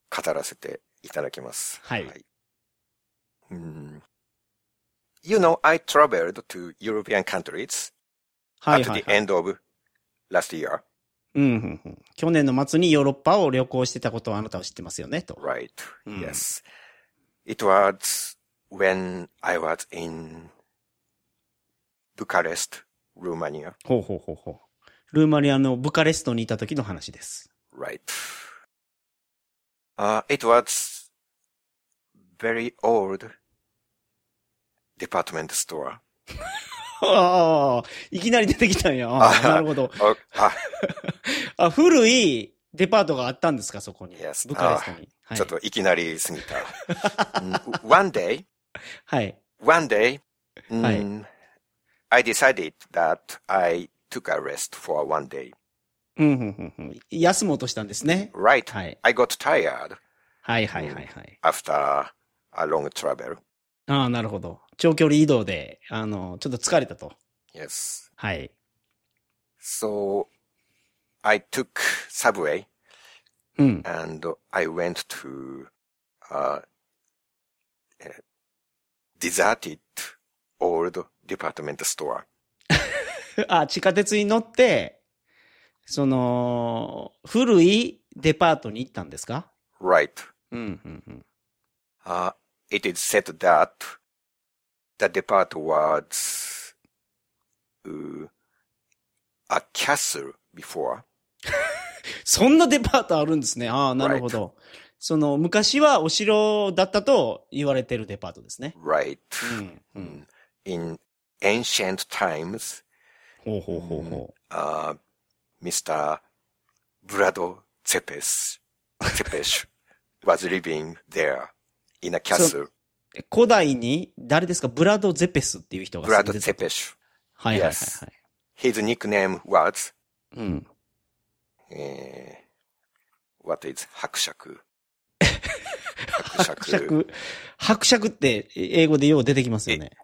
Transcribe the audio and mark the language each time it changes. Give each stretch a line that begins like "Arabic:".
Japanese: 語らせて。いただきます。はい。はい、
English: you know, I traveled to European countries、
Japanese: はいはいはい、
English: at the end of last year.
Japanese: うん、うん、うん。去年の末にヨーロッパを旅行してたことをあなたは知ってますよね、と。
English: Right,、うん、yes. It was when I was in Bucharest, Romania.
Japanese: ほうほうほうほう。ルーマニアのブカレストにいた時の話です。
English: Right.It was very old department store.
Japanese: いきなり出てきたんや。なるほど。あ、古いデパートがあったんですか、そこに。
English: Yes.
Japanese: ブカレストに、はい。ちょっといきなり過ぎた。
English: One day.
Japanese: はい。
English: One day.、はい、I decided that I took a rest for one day.
Japanese: 休もうとしたんですね。
English: Right.、はい、I got tired.
Japanese: はいはいはいはい。
English: After a long travel.
Japanese: ああ、なるほど。長距離移動で、ちょっと疲れたと。
English: Yes.
Japanese: はい。
English: So, I took subway,、
Japanese: うん、
English: and I went to a deserted old department store.
Japanese: あ、地下鉄に乗って、その、古いデパートに行ったんですか?
English: Right.
Japanese: うんうんうん。
English: It is said that the depart was a castle before.
Japanese: そんなデパートあるんですね。ああ、なるほど。
English: Right.
Japanese: その昔はお城だったと言われてるデパートですね。
English: Right.、
Japanese: うんうん、
English: In ancient times,
Japanese: ほうほうほうほう、
English: Mr. Vlado Tepes was living there in a castle.
Japanese: 古代に誰ですか?ブラド・ゼペスっていう人が住んでた。ブラド・ゼペス。はいはいはい、はい。
English: Yes. His nickname was?
Japanese: うん。
English: What is 伯爵?
Japanese: 伯爵。伯爵って英語でよう出てきますよね。